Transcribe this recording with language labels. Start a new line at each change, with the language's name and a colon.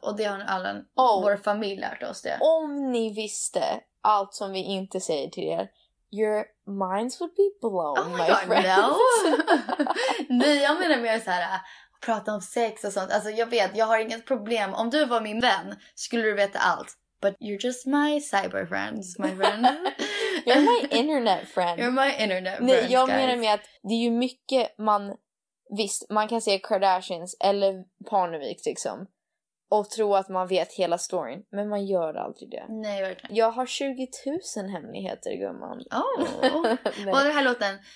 Swedish: Och det har alla, vår familj lärt oss det. Om ni visste allt som vi inte säger till er,
English: your minds would be blown, my friends. Oh my god, no.
Swedish: Nej, jag menar mer så här, prata om sex och sånt. Alltså jag vet, jag har inget problem. Om du var min vän skulle du veta allt.
English: But you're just my cyber friends, my friend. You're my internet friend. You're my internet friend.
Swedish: Jag
English: guys.
Swedish: Menar med att det är ju mycket man, visst, man kan se Kardashians eller Parnevik liksom och tro att man vet hela storyn, men man gör aldrig det. Nej, verkligen. Jag har 20 000 hemligheter, gumman. Oh. Vad är det här låten?